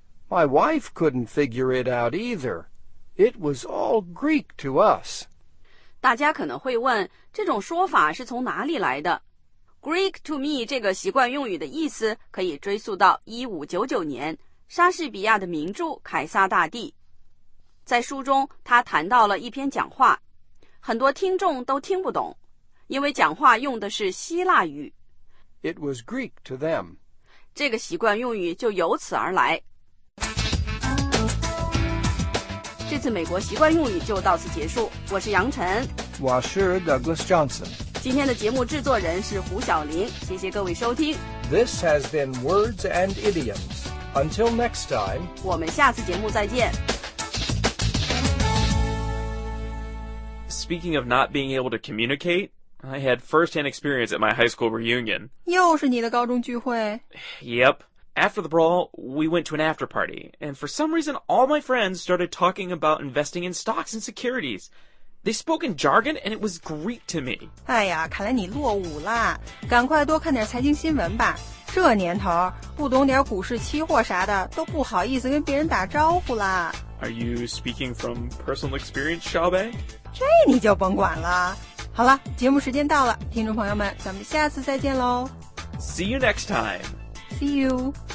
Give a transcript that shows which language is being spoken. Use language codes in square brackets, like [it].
[en] My wife couldn't figure it out either. It was all Greek to us. [zh] 大家可能会问，这种说法是从哪里来的？ [en] Greek to me [zh] 这个习惯用语的意思可以追溯到1599年莎士比亚的名著《凯撒大帝》。在书中他谈到了一篇讲话，很多听众都听不懂，因为讲话用的是希腊语。 [en] It was Greek to them， [zh] 这个习惯用语就由此而来。这次美国习惯用语就到此结束，我是杨晨，我是 Douglas Johnson，今天的节目制作人是胡晓玲，谢谢各位收听。 [en] This has been Words and Idioms. Until next time， [zh] 我们下次节目再见。 [en] Speaking of not being able to communicate, I had first-hand experience at my high school reunion. [zh] 又是你的高中聚会？ [en] Yep. After the brawl, we went to an after party, and for some reason, all my friends started talking about investing in stocks and securities. They spoke in jargon, and it was Greek to me. [zh] 哎呀，看来你落伍了，赶快多看点财经新闻吧。这年头，不懂点股市期货啥的，都不好意思跟别人打招呼了。 [en] Are you speaking from personal experience, Xiaobei? [zh] 这你就甭管了。好了，节目时间到了，听众朋友们，咱们下次再见喽。 [en] See you next time. See you.